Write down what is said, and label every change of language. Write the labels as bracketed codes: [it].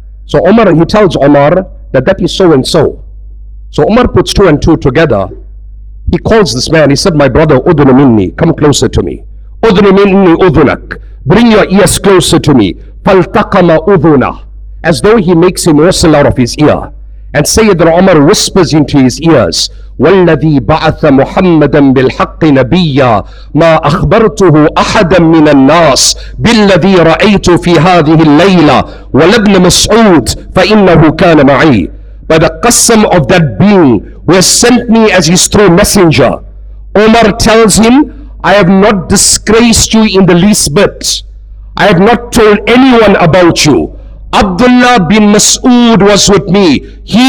[en] So Umar, he tells Umar that is so and so. So Umar puts two and two together. He calls this man. He said, my brother, [ar] udhun minni, [en] come closer to me. [ar] Udhun minni udhunak, [en] bring your ears closer to me. [ar] Faltaqama udhuna, [en] as though he makes him wrestle out of his ear. And Sayyidina Umar whispers into his ears, [ar] وَالَّذِي بَعَثَ مُحَمَّدًا بِالْحَقِّ نَبِيًّا مَا أَخْبَرْتُهُ أَحَدًا مِنَ النَّاسِ بِالَّذِي رَأَيْتُ فِي هَذِهِ اللَّيْلَةِ وَلَبْنَ مَسْعُودِ فَإِنَّهُ كَانَ مَعِي. [en] By the qasam of that being who has sent me as his true messenger, Umar tells him, I have not disgraced you in the least bit. I have not told anyone about you. Abdullah bin Mas'ud was with me.